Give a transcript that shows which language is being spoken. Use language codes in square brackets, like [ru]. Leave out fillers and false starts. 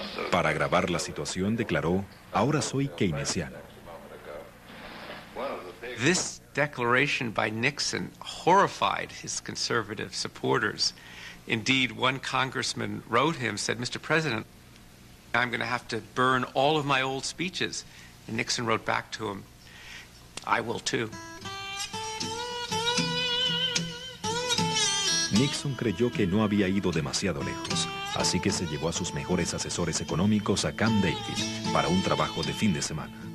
[es] Para agravar la situación, declaró, ahora soy keynesiano. [en] This declaration by Nixon horrified his conservative supporters. Indeed, one congressman wrote him, said, Mr. President, I'm going to have to burn all of my old speeches. And Nixon wrote back to him, I will too. [es] Nixon creyó que no había ido demasiado lejos, así que se llevó a sus mejores asesores económicos a Camp David para un trabajo de fin de semana.